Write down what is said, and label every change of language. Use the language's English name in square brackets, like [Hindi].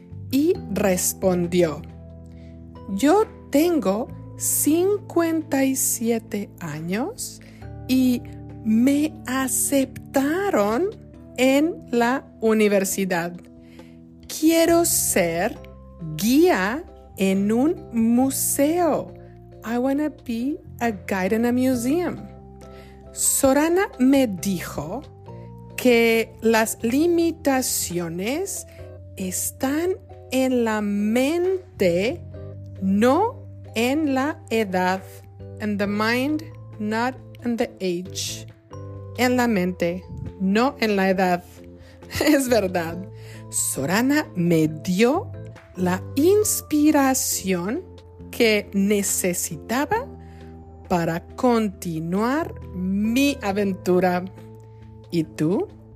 [Spanish] y respondió: Yo tengo 57 años y me aceptaron en la universidad. Quiero ser guía en un museo. [English] I want to be a guide in a museum. [Spanish] Sorana me dijo que las limitaciones están en la mente, no en la edad. [English] In the mind, not in the age. [Spanish] En la mente, no en la edad. Es verdad. Sorana me dio la inspiración que necesitaba para continuar mi aventura. ¿Y tú?